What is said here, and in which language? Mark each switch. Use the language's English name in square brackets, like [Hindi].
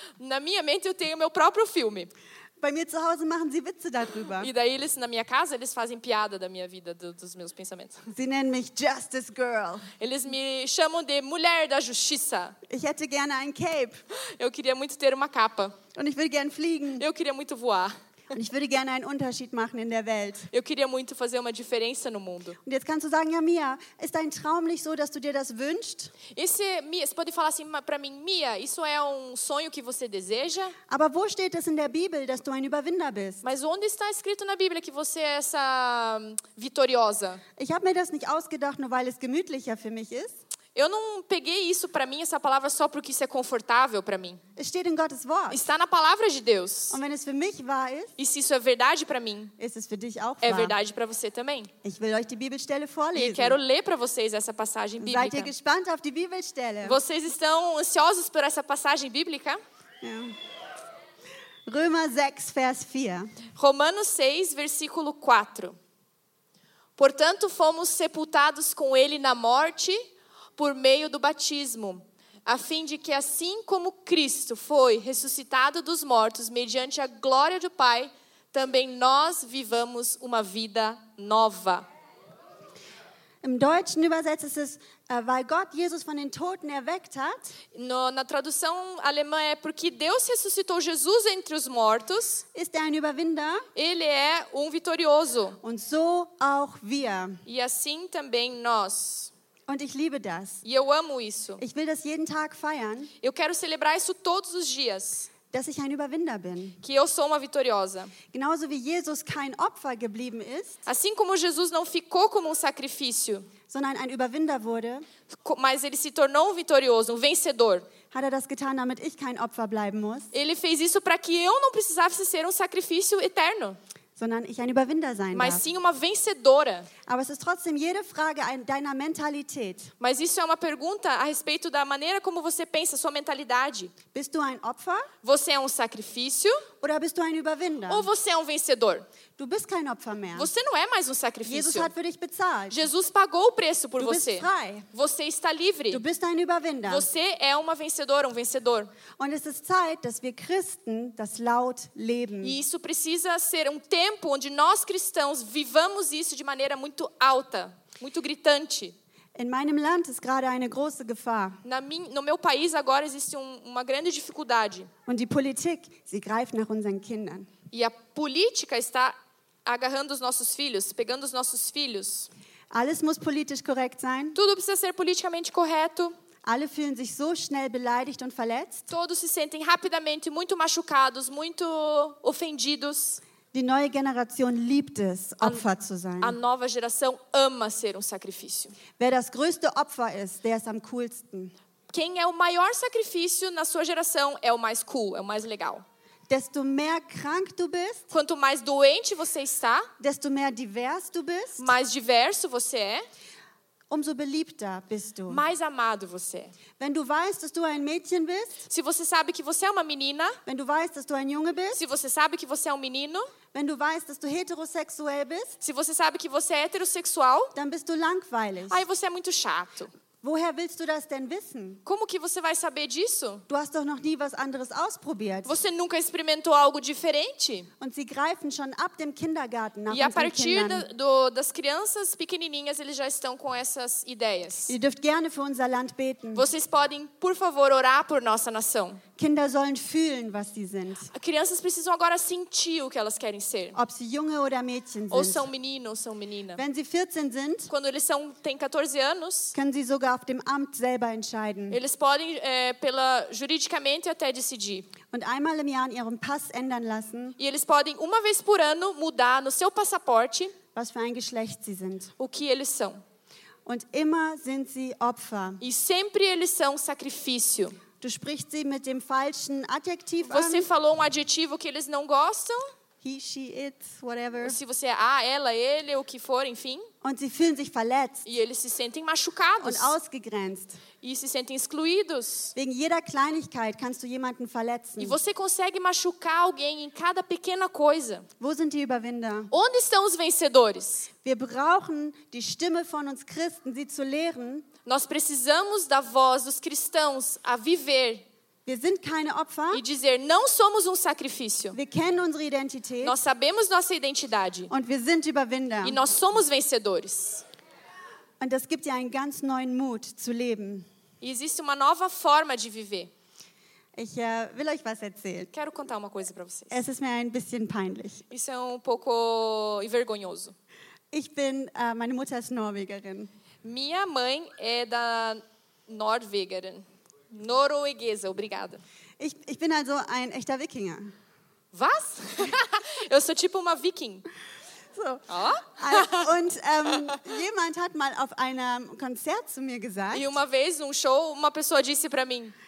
[Portuguese] Na minha mente eu tenho meu próprio filme. [German] Bei mir zu Hause machen sie Witze darüber. [Portuguese] E daí eles, na minha casa, eles fazem piada da minha vida, dos meus pensamentos. [German] Sie nennen mich Justice Girl. [Portuguese] Eles me chamam de Mulher da Justiça. [German] Ich hätte gerne ein Cape. [Portuguese] Eu queria muito ter uma capa. [German] Und ich würde gerne fliegen. [Portuguese] Eu queria muito voar. [German] Und ich würde gerne einen Unterschied machen in der Welt. [Portuguese] Eu queria muito fazer uma diferença no mundo. [German] Und jetzt kannst du sagen, ja Mia, ist dein Traum nicht so, dass du dir das wünschst? [Portuguese] Esse, Mia, você pode falar assim para mim, Mia, isso é sonho que você deseja? [German] Aber wo steht es in der Bibel, dass du ein Überwinder bist? [Portuguese] Mas onde está escrito na Bíblia que você é essa vitoriosa? [German] Ich habe mir das nicht ausgedacht, nur weil es gemütlicher für mich ist. [Portuguese] Eu não peguei isso para mim, essa palavra, só porque isso é confortável para mim. [German] Steht in Gottes Wort. [Portuguese] Está na palavra de Deus. [German] Und wenn es für mich wahr ist, [Portuguese] e se isso é verdade para mim, [German] ist es für dich auch [Portuguese] é [German] wahr. [Portuguese] Verdade para você também. [German] Ich will euch die Bibelstelle vorlesen. [Portuguese] E quero ler para vocês essa passagem bíblica. [German] Seid ihr gespannt auf die Bibelstelle? [Portuguese] Vocês estão ansiosos por essa passagem bíblica? [German] Yeah. Römer 6, Vers 4. [Portuguese] Romanos 6, versículo 4. Portanto, fomos sepultados com ele na morte por meio do batismo, a fim de que, assim como Cristo foi ressuscitado dos mortos mediante a glória do Pai, também nós vivamos uma vida nova. [German] Im Deutschen übersetzt ist es, weil Gott Jesus von den Toten erweckt hat. [Portuguese] No, na tradução alemã é porque Deus ressuscitou Jesus entre os mortos. [German] Ist er ein Überwinder? [Portuguese] Ele é vitorioso. [German] Und so auch wir. [Portuguese] E assim também nós. [German] Und ich liebe das. [Portuguese] E eu amo isso. [German] Ich will das jeden Tag feiern. [Portuguese] Eu quero celebrar isso todos os dias. [German] Dass ich ein Überwinder bin. [Portuguese] Que eu sou uma vitoriosa. [German] Genauso wie Jesus kein Opfer geblieben ist. [Portuguese] Assim como Jesus não ficou como sacrifício. [German] Sondern ein Überwinder wurde. [Portuguese] Mas ele se tornou vitorioso, vencedor. [German] Hat er das getan, damit ich kein Opfer bleiben muss. [Portuguese] Ele fez isso para que eu não precisasse ser sacrifício eterno. [German] Sondern ich ein Überwinder sein [Portuguese] Mas [German] darf. [Portuguese] Sim uma vencedora. [German] Aber es ist trotzdem jede Frage deiner Mentalität. [Portuguese] Mas isso é uma pergunta a respeito da maneira como você pensa, sua mentalidade. [German] Bist du ein Opfer? [Portuguese] Você é sacrifício? [German] Oder bist du ein Überwinder? [Portuguese] Ou você é vencedor? [German] Du bist kein Opfer mehr. [Portuguese] Você não é mais sacrifício. [German] Jesus hat für dich bezahlt. [Portuguese] Jesus pagou o preço por [German] du [Portuguese] você. [German] Bist frei. [Portuguese] Você está livre. [German] Du bist ein Überwinder. [Portuguese] Você é vencedora, vencedor. [German] Und es ist Zeit, dass wir Christen das laut leben. [Portuguese] E isso precisa ser tempo onde nós cristãos vivamos isso de maneira muito alta, muito gritante. [German] In meinem Land ist gerade eine große Gefahr. [Portuguese] No meu país agora existe uma grande dificuldade. [German] Und die Politik, sie greift nach unseren Kindern. [Portuguese] E a política está agarrando os nossos filhos, pegando os nossos filhos. [German] Alles muss politisch korrekt sein. [Portuguese] Tudo precisa ser politicamente correto. [German] Alle fühlen sich so schnell beleidigt und verletzt. [Portuguese] Todos se sentem rapidamente muito machucados, muito ofendidos. [German] Die neue Generation liebt es, Opfer zu sein. [Portuguese] A nova geração ama ser sacrifício. [German] Wer das größte Opfer ist, der ist am coolsten. [Portuguese] Quem é o maior sacrifício na sua geração é o mais cool, é o mais legal. [German] Desto mehr krank du bist, [Portuguese] quanto mais doente você está, [German] desto mehr divers du bist, [Portuguese] mais diverso você é. [German] Umso beliebter bist du. [Portuguese] Mais amado você. [German] Wenn du weißt, dass du ein Mädchen bist, [Portuguese] se você sabe que você é uma menina, [German] wenn du weißt, dass du ein Junge bist, [Portuguese] se você sabe que você é menino, [German] wenn du weißt, dass du heterosexuell bist, [Portuguese] se você sabe que você é heterossexual, [German] dann bist du langweilig. [Portuguese] Aí você é muito chato. [German] Woher willst du das denn wissen? [Portuguese] Como que você vai saber disso? [German] Du hast doch noch nie was anderes ausprobiert. [Portuguese] Você nunca experimentou algo diferente? [German] Und sie greifen schon ab dem Kindergarten nach [Portuguese] E a partir das crianças pequenininhas, eles já estão com essas ideias. [German] Ihr dürft gerne für unser Land beten. [Portuguese] Vocês podem, por favor, orar por nossa nação. [German] Kinder sollen fühlen, was sie sind. [Portuguese] Crianças precisam agora sentir o que elas querem ser. [German] Ob sie Junge oder Mädchen sind. [Portuguese] Ou são menino ou são menina. [German] Wenn sie 14 sind, [Portuguese] quando eles têm 14 anos, [German] können sie sogar auf dem Amt selber entscheiden. [Portuguese] Eles podem pela juridicamente até decidir. [German] Und einmal im Jahr ihren Pass ändern lassen. [Portuguese] E eles podem uma vez por ano mudar no seu passaporte, [German] was für ein Geschlecht sie sind. [Portuguese] O que eles são. [German] Und immer sind sie Opfer. [Portuguese] E sempre eles são sacrifício. [German] Du sprichst sie mit dem falschen Adjektiv an. [Portuguese] Você falou adjetivo que eles não gostam. [English] He, she, it, whatever. [Portuguese] Se você é ela, ele, o que for, enfim. [German] Und sie fühlen sich verletzt. [Portuguese] E eles se sentem machucados. [German] Und ausgegrenzt. [Portuguese] E se sentem excluídos. [German] Wegen jeder Kleinigkeit kannst du jemanden verletzen. [Portuguese] E você consegue machucar alguém em cada pequena coisa. [German] Wo sind die Überwinder? [Portuguese] Onde estão vencedores? [German] Wir brauchen die Stimme von uns Christen, sie zu lehren. [Portuguese] Nós precisamos da voz dos cristãos a viver. [German] Wir sind keine Opfer. [Portuguese] E dizer, não somos sacrifício. [German] Wir kennen unsere Identität. [Portuguese] Nós sabemos nossa identidade. [German] Und wir sind Überwinder. [Portuguese] E nós somos vencedores. [German] Und das gibt dir einen ganz neuen Mut zu leben. [Portuguese] E existe uma nova forma de viver. [German] Ich will euch was erzählen. [Portuguese] Quero contar uma coisa para vocês. [German] Es ist mir ein bisschen peinlich. [Portuguese] Isso é pouco vergonhoso. [German] Ich bin, meine Mutter ist Norwegerin. [Portuguese] Minha mãe é da Norwegerin. Norueguesa, obrigada. [German] Ich bin also ein echter Wikinger. Was? [Portuguese] Eu sou tipo uma Viking. [German] So. Oh? Und jemand hat mal auf einem Konzert zu mir gesagt. [Portuguese] E uma vez num show uma pessoa disse para mim.